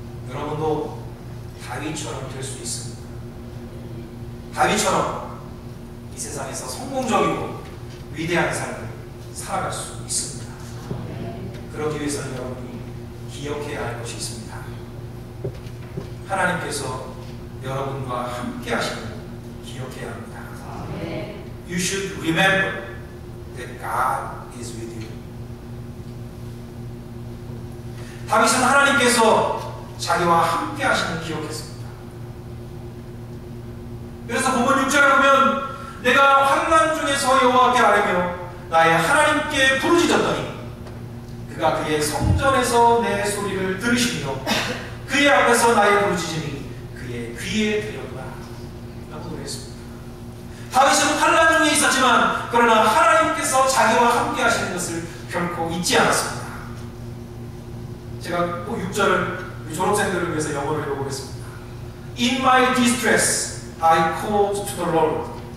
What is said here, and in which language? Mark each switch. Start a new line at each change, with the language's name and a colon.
Korean: 여러분도 다윗처럼 될 수 있습니다. 다윗처럼 이 세상에서 성공적이고 위대한 삶을 살아갈 수 있습니다. 그러기 위해서는 여러분이 기억해야 할 것이 있습니다. 하나님께서 여러분과 함께 하시는 것을 기억해야 합니다.
English: You should remember that God is with you.
Korean: 다윗은 하나님께서 자기와 함께 하시는 것을 기억했습니다. 그래서 본문 6절에 보면 내가 환난 중에서 여호와께 아뢰며 나의 하나님께 부르짖었더니 그가 그의 성전에서 내 소리를 들으시며 그의 앞에서 나의 부르짖음이 그의 귀에 들렸다 라고 그랬습니다. 다윗은 환난 중에 있었지만 그러나 하나님께서 자기와 함께 하시는 것을 결코 잊지 않았습니다. 제가 꼭 6절을 졸업생들을 위해서 영어로 읽어보겠습니다.
English: In my distress, I called to the Lord.